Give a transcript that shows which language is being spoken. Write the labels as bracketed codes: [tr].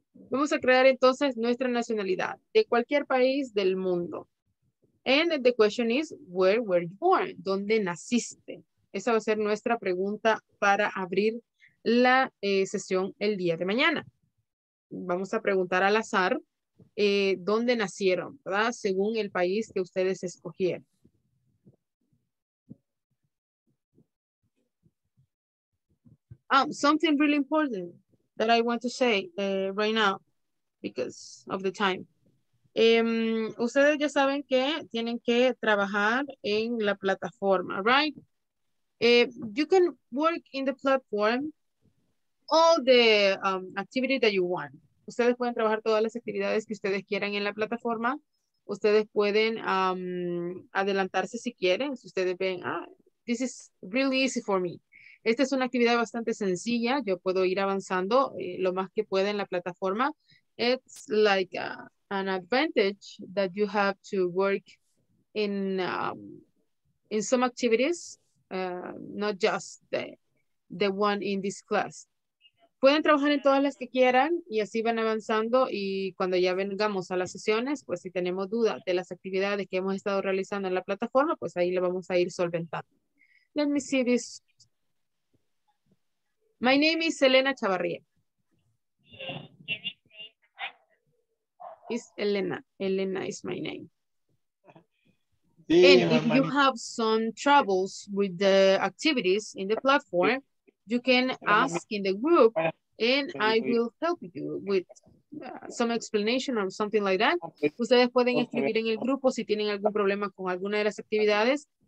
[es] Vamos a crear entonces nuestra nacionalidad de cualquier país del mundo. [en] And the question is, where were you born? [es] ¿Dónde naciste? Esa va a ser nuestra pregunta para abrir la sesión el día de mañana. Vamos a preguntar al azar dónde nacieron, ¿verdad? Según el país que ustedes escogieron. [en] Something really important that I want to say right now. Because of the time. [es] Ustedes ya saben que tienen que trabajar en la plataforma, right? [en] You can work in the platform all the activity that you want. [es] Ustedes pueden trabajar todas las actividades que ustedes quieran en la plataforma. Ustedes pueden adelantarse si quieren. Si ustedes ven, [en] this is really easy for me. [es] Esta es una actividad bastante sencilla. Yo puedo ir avanzando lo más que pueda en la plataforma. [en] It's like an advantage that you have to work in some activities, not just the one in this class. [es] Pueden trabajar en todas las que quieran y así van avanzando y cuando ya vengamos a las sesiones, pues si tenemos dudas de las actividades que hemos estado realizando en la plataforma, pues ahí la vamos a ir solventando. [en] Let me see this. My name is Selena Chavarría. It's Elena. Elena is my name. And if you have some troubles with the activities in the platform, you can ask in the group and I will help you with some explanation or something like that. [es] Ustedes pueden escribir en el grupo si tienen algún problema con alguna de las actividades.